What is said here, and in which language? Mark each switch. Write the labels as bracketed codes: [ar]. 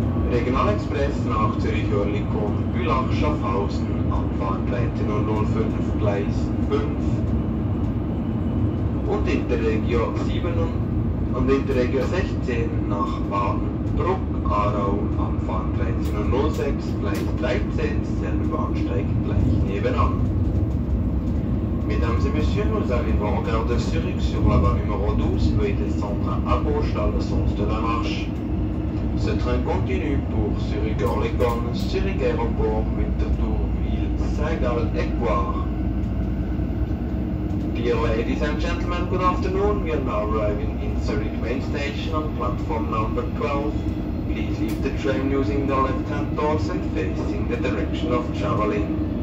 [de] Regionalexpress nach Zürich-Oerlikon, Bülach, Schaffhausen, Abfahrt 13.05, Gleis 5. Und Interregio 7 und Interregio 16 nach Badenbruck, Aarau, Abfahrt 13.06, Gleis 13, selbe Bahnsteig gleich nebenan. [fr] Mesdames et Messieurs, nous arrivons en gare de Zurich sur la voie numéro 12, veuillez descendre à gauche dans le sens de la marche. Ce train continue pour Zurich-Oerlikon, Zurich Aéroport, Winterthur, Ville, Saint-Gall-Équoire. [en] Dear ladies and gentlemen, good afternoon. We are now arriving in Zurich Main Station on platform number 12. Please leave the train using the left-hand doors and facing the direction of traveling.